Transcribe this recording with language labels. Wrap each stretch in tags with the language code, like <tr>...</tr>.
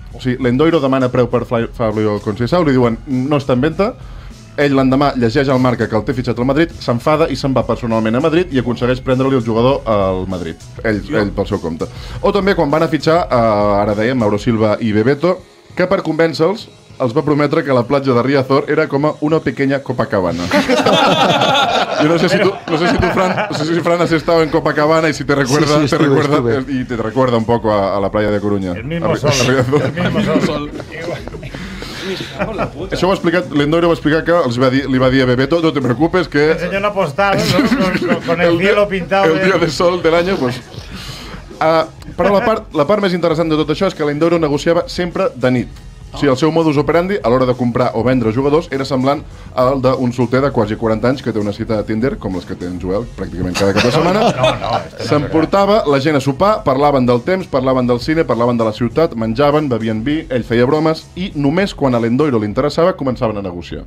<ca>O sigui, Lendoiro demana preu per Flavio Conceição, li diuen no està en venda, ell l'endemà llegeix el Marca que el té fitxat al Madrid, s'enfada i se'n va personalment a Madrid i aconsegueix prendre-li el jugador al Madrid, ell pel seu compte. O també quan van a fitxar, ara dèiem, Mauro Silva i Bebeto, que per convèncer-los els va prometre que la platja de Riazor era com una pequeña Copacabana. Jo no sé si tu,</ca> <es>Fran, has estado en Copacabana i si te recuerda, sí, sí, estuve, y te recuerda un poco a la playa de Coruña. El mismo sol.</es> <ca>Això ho ha explicat, l'Endoiro ho ha explicat que els va dir, li va dir a Bebeto,</ca> <es>no te preocupes que... Ensenyó una postal con el cielo pintado. El día de sol del año, pues...</es> <ca>però la part més interessant de tot això és que l'Endoiro negociava sempre de nit. Sí, el seu modus operandi a l'hora de comprar o vendre jugadors era semblant al d'un solter de quasi 40 anys que té una cita a Tinder, com les que té en Joel pràcticament cada cap de setmana. No, s'emportava la gent a sopar, parlaven del temps, parlaven del cine, parlaven de la ciutat, menjaven, bevien vi, ell feia bromes i només quan a l'Endoiro li interessava començaven a negociar.</ca>